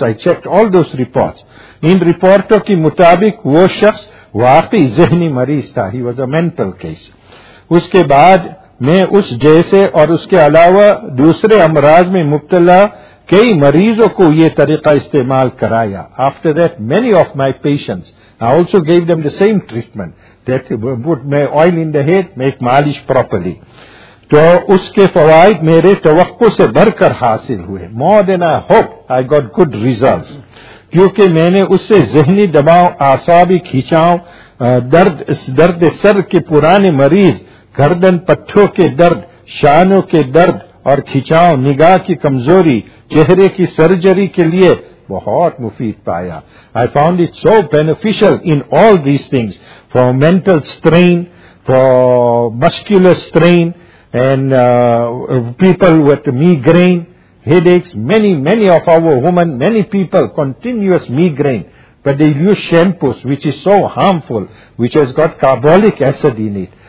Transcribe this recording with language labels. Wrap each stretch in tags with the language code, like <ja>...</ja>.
<en>I checked all those reports.</en> <ur>इन रिपोर्टों के मुताबिक वो शख्स वाकई ज़हनी मरीज था.</ur> <en>He was a mental case.</en> <ur>उसके बाद میں اس جیسے اور اس کے علاوہ دوسرے امراض میں مبتلا کئی مریضوں کو یہ طریقہ استعمال کرایا.</ur> <en>After that, many of my patients, I also gave them the same treatment, that put my oil in the head, make malish properly.</en> <ur>تو اس کے فوائد میرے توقع سے بڑھ کر حاصل ہوئے.</ur> <en>More than I hope, I got good results.</en> <ur>کیونکہ میں نے اس سے ذہنی دباؤ، اعصابی کھینچاؤ، درد سر کے پرانے مریض، گردن پٹھوں کے درد، شانوں کے درد اور کھینچاؤ، نگاہ کی کمزوری، چہرے کی سرجری کے لیے بہت مفید پایا.</ur> <en>I found it so beneficial in all these things for mental strain, for muscular strain, and people with migraine, headaches. Many of our women, many people, continuous migraine, but they use shampoos which is so harmful, which has got carbolic acid in it.</en>